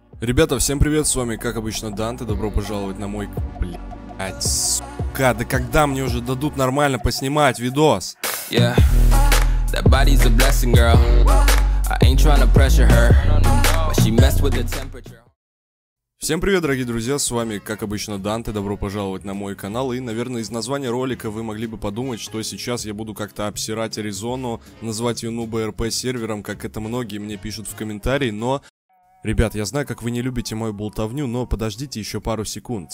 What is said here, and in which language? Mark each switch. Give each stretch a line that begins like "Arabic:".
Russian: Ребята, всем привет, с вами, как обычно, Дант, и добро пожаловать на мой... Блядь, сука, да когда мне уже дадут нормально поснимать видос?
English: Yeah, that body's a blessing, girl. I ain't trying to pressure her, but she messed with the temperature.
Russian: Всем привет, дорогие друзья, с вами, как обычно, Дант, и добро пожаловать на мой канал. И, наверное, из названия ролика вы могли бы подумать, что сейчас я буду как-то обсирать Аризону, назвать ее нуба РП сервером, как это многие мне пишут в комментарии, но... Ребят, я знаю, как вы не любите мою болтовню, но подождите еще пару секунд.